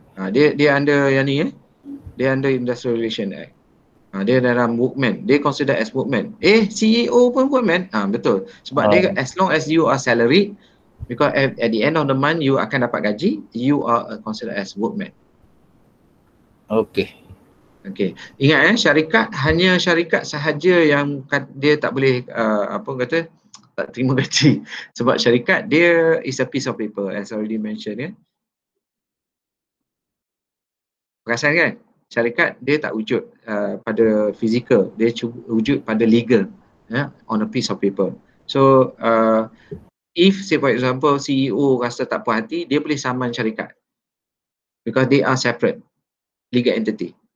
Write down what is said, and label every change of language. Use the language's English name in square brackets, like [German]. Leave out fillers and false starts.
[Malay] Dia under yang ni eh. Dia under Industrial Relation Act. Dia dalam workman, dia [English] consider as workman. [Malay] CEO pun workman, betul. Sebab dia [English] as long as you are salary, because at the end of the month you [Malay] akan dapat gaji, [English] you are considered as workman. Okay. [Malay] Ingat syarikat, hanya syarikat sahaja yang dia tak boleh tak terima gaji. Sebab syarikat dia [English] is a piece of paper, as already mentioned ya. [Malay] Perasan kan? Syarikat dia tak wujud pada fizikal, dia wujud pada legal, [English] on a piece of paper. So if say for example CEO [Malay] rasa tak puas hati, dia boleh saman syarikat [English] because they are separate legal entity.